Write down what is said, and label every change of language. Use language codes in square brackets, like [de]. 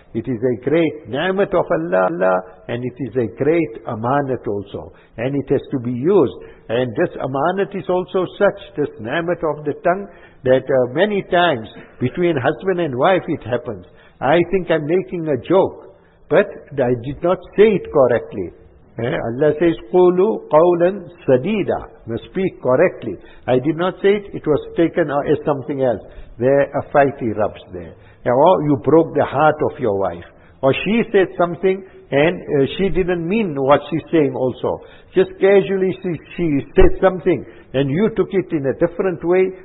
[en] It is a great ni'mat of Allah, and it is a great amanat also. And it has to be used. And this amanat is also such, this ni'mat of the tongue, that many times between husband and wife it happens. I think I'm making a joke, but I did not say it correctly. Allah says, [ar] قُولُ قَوْلًا سَدِيدًا. [en] Must speak correctly. I did not say it. It was taken as something else. There a fight erupts there. Or you broke the heart of your wife. Or she said something and she didn't mean what she's saying also. Just casually she said something and you took it in a different way.